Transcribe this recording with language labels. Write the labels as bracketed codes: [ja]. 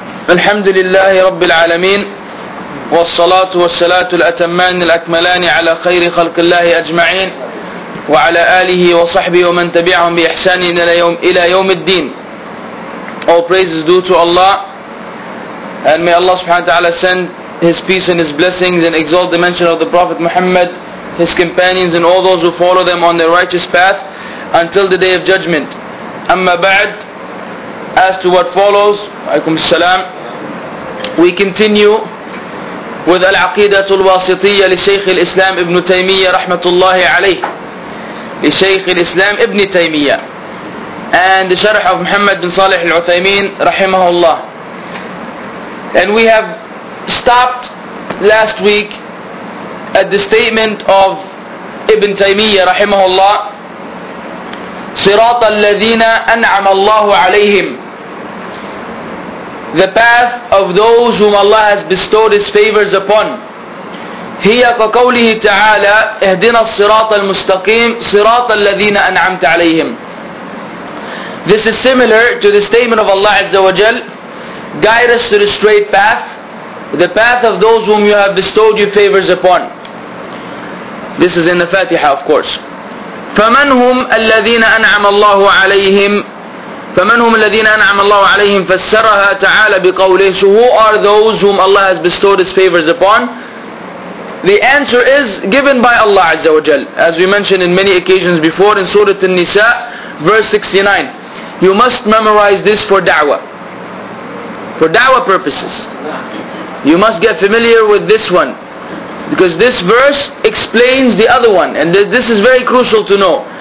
[ar] الحمد لله رب العالمين، والصلاة والسلام الأتمان الأكملان على خير خلق الله أجمعين، وعلى آله وصحبه ومن تبعهم بإحسان إلى يوم الدين. [en] All praises due to Allah, and may Allah subhanahu wa ta'ala send His peace and His blessings and exalt the mention of the Prophet Muhammad, his companions, and all those who follow them on their righteous path until the Day of Judgment. أما بعد, as to what follows, alaykum as-salam, we continue with Al-Aqidah Al-Wasitiyya li Shaykh al-Islam Ibn Taymiyyah rahmatullahi alayh, li Shaykh al-Islam Ibn Taymiyyah, and the Sharh of Muhammad bin Salih al-Uthaymeen rahimahullah. And we have stopped last week at the statement of Ibn Taymiyyah rahimahullah, [ar] صراط الذين أنعم الله عليهم, [en] the path of those whom Allah has bestowed His favors upon. [ar] هي كقوله تعالى اهدنا الصراط المستقيم صراط الذين أنعمت عليهم. [en] This is similar to the statement of Allah Azza wa Jal, guide us to the straight path, the path of those whom You have bestowed Your favors upon. This is in the Fatiha, of course. [ar] فمن هم الذين أنعم الله عليهم, فمن هم الذين أنعم الله عليهم, فسرها تعالى بقوله, [en] so who are those whom Allah has bestowed His favors upon? The answer is given by Allah Azza wa Jal, as we mentioned in many occasions before in Surah An-Nisa, verse 69. You must memorize this for da'wah purposes. You must get familiar with this one, because this verse explains the other one, and this is very crucial to know.